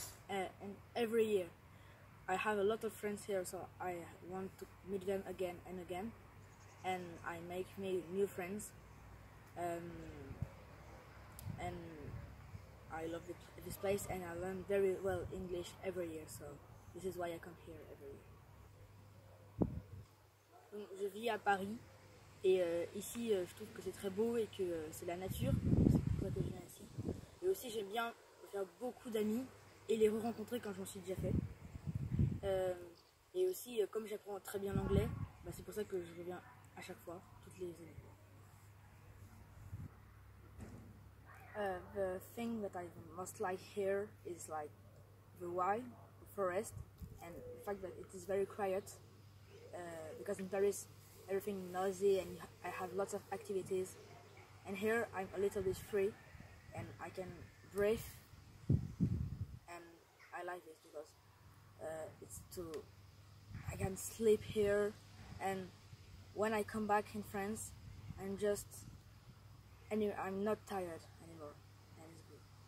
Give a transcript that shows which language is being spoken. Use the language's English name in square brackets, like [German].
[English] And every year I have a lot of friends here, so I want to meet them again and again, and I make me new friends. And I love this place, and I learn very well English every year, so this is why I come here every year. [French] Donc, je vis à Paris, et ici je trouve que c'est très beau et que c'est la nature, c'est pour ça que je viens ici. Et aussi j'aime bien faire beaucoup d'amis et les re-rencontrer quand j'en suis déjà fait. Et aussi comme j'apprends très bien l'anglais, bah, c'est pour ça que je reviens à chaque fois, toutes les années. [English] The thing that I most like here is like the wild, the forest, and the fact that it is very quiet. Because in Paris everything is noisy and I have lots of activities, and here I'm a little bit free and I can breathe, and I like this because I can sleep here, and when I come back in France I'm not tired anymore, and it's good.